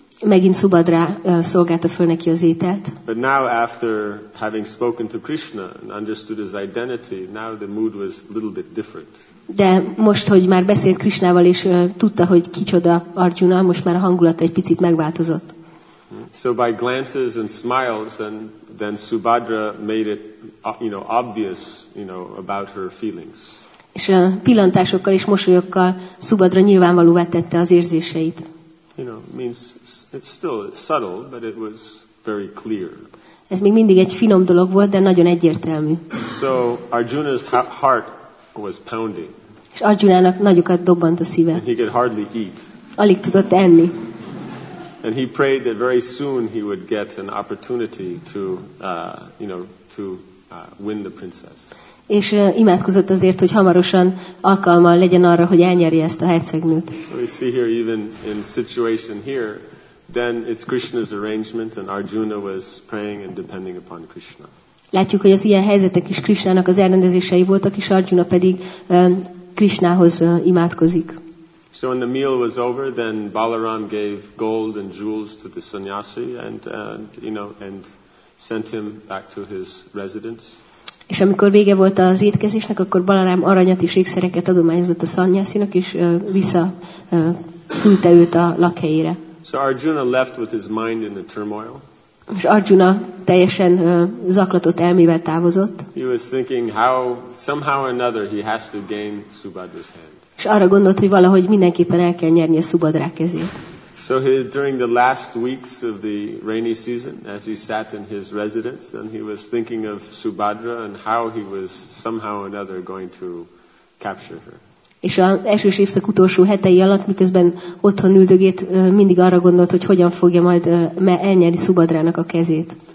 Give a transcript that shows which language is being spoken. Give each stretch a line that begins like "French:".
Hungarian: Megint Subhadra szolgálta föl neki az ételt.
English: But now, after having spoken to Krishna and understood his identity, now the mood was a little bit different.
Hungarian: De most, hogy már beszélt Krishnával és tudta, hogy kicsoda Arjuna, most már a hangulat egy picit megváltozott.
English: So by glances and smiles, and then Subhadra made it, you know, obvious, you know, about her feelings.
Hungarian: És pillantásokkal és mosolyokkal Subhadra nyilvánvalóvá tette az érzéseit.
English: You know, means it's subtle, but it was very clear.
Hungarian: Ez még mindig egy finom dolog volt, de nagyon egyértelmű.
English: So Arjuna's heart was pounding.
Hungarian: És Arjunának nagyokat dobbant a szíve.
English: And he could hardly eat.
Hungarian: Alig tudott enni.
English: And he prayed that very soon he would get an opportunity to win the princess.
Hungarian: És imádkozott azért, hogy hamarosan alkalma legyen arra, hogy elnyerje ezt a hercegnőt.
English: So we see here, even in situation here, then it's Krishna's arrangement, and Arjuna was praying and depending upon Krishna.
Hungarian: Látjuk, hogy az ilyen helyzetek is Krishnának az elrendezései voltak, és Arjuna pedig Krishnához imádkozik.
English: So when the meal was over, then Balaram gave gold and jewels to the sannyasi and sent him back to his residence.
Hungarian: És amikor vége volt az étkezésnek, akkor Balaram aranyat és ékszereket adományozott a szannyászinak, és visszaküldte őt a lakhelyére.
English: So Arjuna left with his mind in a turmoil.
Hungarian: És Arjuna teljesen zaklatott elmével távozott.
English: He was thinking how somehow or another he has to gain Subhadra's hand.
Hungarian: És arra gondolt, hogy valahogy mindenképpen el kell nyerni a Subhadra kezét.
English: So he, during the last weeks of the rainy season, as he sat in his residence, and he was thinking of Subhadra and how he was somehow or another going to capture her.
Hungarian: És az esős évszak utolsó hetei alatt, miközben otthon üldögét, mindig arra gondolt, hogy hogyan fogja majd elnyerni Subhadrának a kezét.